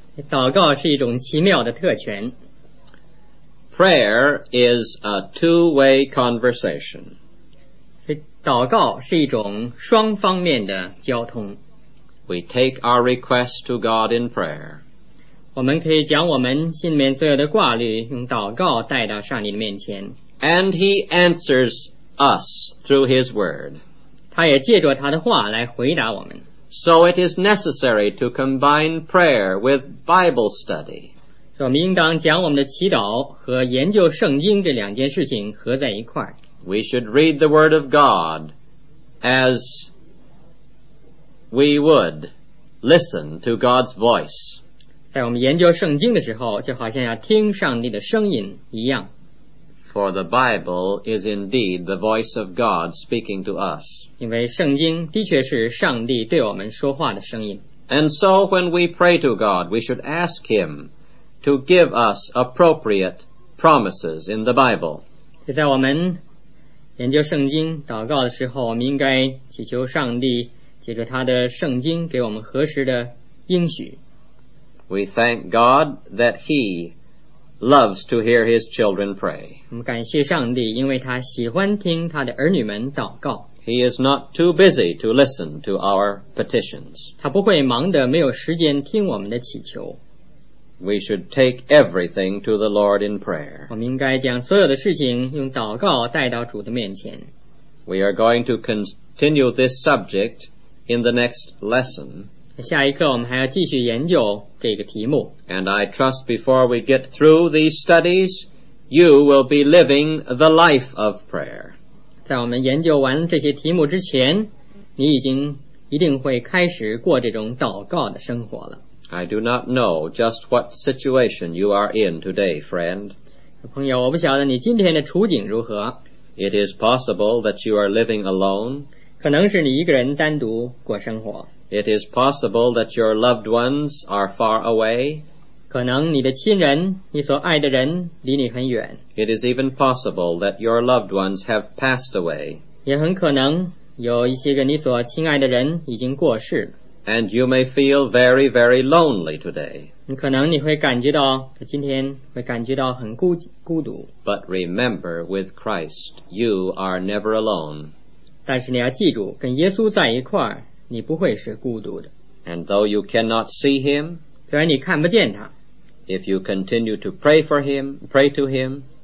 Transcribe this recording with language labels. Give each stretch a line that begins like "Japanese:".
Chinese: 祷告是一种奇妙的特权。
English: Prayer is a two-way conversation.
Chinese: 祷告是一种双方面的交通。
English: We take our request to God in prayer.
Chinese: 我们可以将我们心里面所有的挂虑用祷告带到上帝的面前。
English: And he answers us through his word.
Chinese: 他也借着他的话来回答我们。
English: So it is necessary to combine prayer with Bible study.
Chinese: 我们应当将我们的祈祷和研究圣经这两件事情合在一块。
English: We should read the word of God as we would listen to God's voice.
Chinese: 在我们研究圣经的时候，就好像要听上帝的声音一样。
English: For the Bible is indeed the voice of God speaking to us.
Chinese: 因为圣经的确是上帝对我们说话的声音。
English: And so when we pray to God, we should ask him to give us appropriate promises in the Bible.
Chinese: 就在我们研究圣经祷告的时候，我们应该祈求上帝借着他的圣经给我们合适的应许。
English: We thank God that he loves to hear his children pray.
Chinese: 我们感谢上帝，因为他喜欢听他的儿女们祷告。
English: He is not too busy to listen to our petitions.
Chinese: 他不会忙得没有时间听我们的祈求。
English: We should take everything to the Lord in prayer.
Chinese: 我们应该将所有的事情用祷告带到主的面前。
English: We are going to continue this subject in the next lesson.
Chinese: 下一课我们还要继续研究这个题目。
English: And I trust before we get through these studies, you will be living the life of prayer.
Chinese: 在我们研究完这些题目之前，你已经一定会开始过这种祷告的生活了。
English: I do not know just what situation you are in today, friend.
Chinese: 朋友，我不晓得你今天的处境如何。
English: It is possible that you are living alone.
Chinese: 可能是你一个人单独过生活。
English: It is possible that your loved ones are far away.
Chinese: 可能你的亲人，你所爱的人离你很远。
English: It is even possible that your loved ones have passed away.
Chinese: 也很可能有一些个你所亲爱的人已经过世了。
English: And you may feel very, very lonely today.
Chinese: 可能你会感觉到，今天会感觉到很孤独。
English: But remember, with Christ, you are never alone.
Chinese: 但是你要记住，跟耶稣在一块儿你不会是孤独的。
English: And though you cannot see him,
Chinese: 虽然你看不见他，
English: if you continue to pray for him, pray to him,